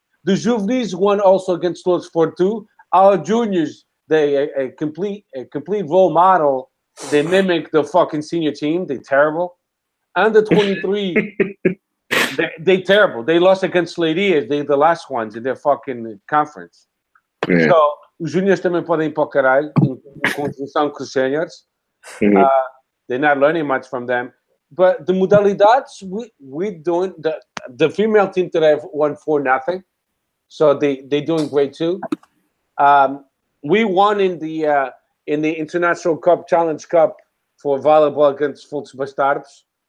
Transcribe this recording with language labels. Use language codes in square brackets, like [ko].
[en] The Juvenis won also against Luz 4-2. Our juniors, they a complete role model. They mimic the fucking senior team. They're terrible. Under 23, they're terrible. They lost against Leiria. They're the last ones in their fucking conference. Yeah. [pt] So, os juniors também podem ir para o caralho em conjunção com os seniors. [en] They're not learning much from them. But the modalidades, we're doing the female team today won 4-0. So they're doing great too. We won in the International Cup Challenge Cup for volleyball against Futs Bastards.